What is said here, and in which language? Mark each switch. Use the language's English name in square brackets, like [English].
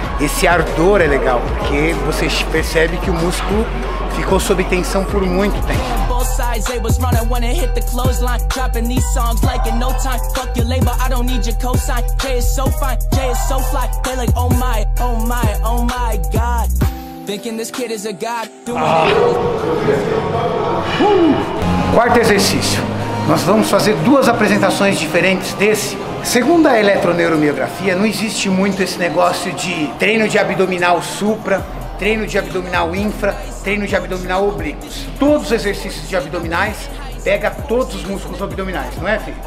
[Portuguese] Esse ardor é legal, porque você percebe que o músculo ficou sob tensão por muito tempo. [English] They was running when it hit the clothesline. Dropping these songs like in no time. Fuck your label, I don't need your cosign. Jay is so fine, Jay is so fly. They like, oh my, oh my, oh my god. Thinking this kid is a god. [Portuguese] Quarto exercício. Nós vamos fazer duas apresentações diferentes desse. Segundo a eletroneuromiografia, não existe muito esse negócio de treino de abdominal supra, treino de abdominal infra, treino de abdominal oblíquos. Todos os exercícios de abdominais pega todos os músculos abdominais, não é, filho?